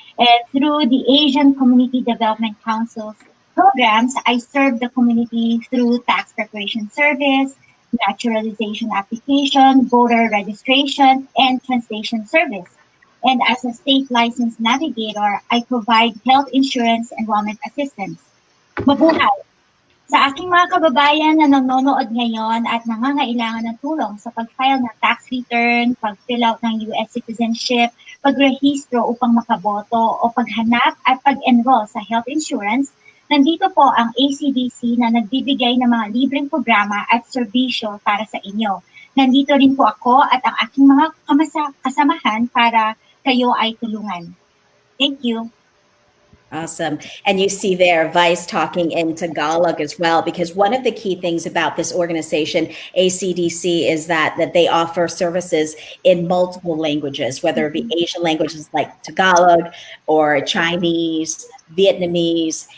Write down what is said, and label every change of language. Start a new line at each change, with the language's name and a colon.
English: And through the Asian Community Development Council's programs, I served the community through tax preparation service, naturalization application, voter registration, and translation service. And as a state licensed navigator, I provide health insurance and wellness assistance.
Filipino: Mabuhay! Sa aking mga kababayan na nanonood ngayon at nangangailangan ng tulong sa pag-file ng tax return, pag-fill out ng US citizenship, pag-rehistro upang makaboto o paghanap at pag-enroll sa health insurance, nandito po ang ACDC na nagbibigay ng mga libreng programa at serbisyo para sa inyo. Nandito rin po ako at ang aking mga kasamahan para kayo ay tulungan.
English: Thank you. Awesome. And you see there, Vice talking in Tagalog as well, because one of the key things about this organization, ACDC, is that they offer services in multiple languages, whether it be Asian languages like Tagalog or Chinese, Vietnamese.